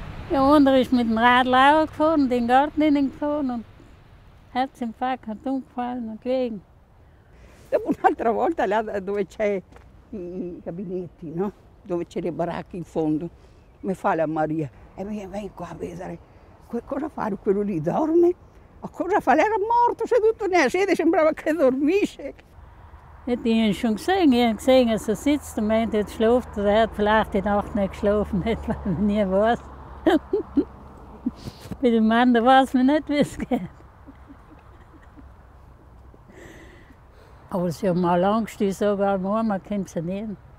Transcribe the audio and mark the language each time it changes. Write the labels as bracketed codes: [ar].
[de] Ja, und er ist mit dem Radl gefahren, den Garten hineingefahren und Herzinfarkt hat umgefallen und gelegen. [it] Dopo un'altra volta là dove c'è i gabinetti, no? Dove c'è le baracche in fondo, mi fa la Maria e mi viene qua a vedere cosa fa quello lì, dorme? Ma cosa fa? Era morto, seduto nella sede, sembrava che dormisse. E ti ho già [de] gesehen, [it] ho [de] gesehen, [it] che si [de] sitzt [it] e [de] meint, jetzt schläft, er hat vielleicht die Nacht nicht geschlafen, nicht, weil man nie weiß. Mit dem Mann, da weiß man nicht, wie es geht. Aber sie haben mal Angst, ich sage auch mal, man kommt sie nicht hin.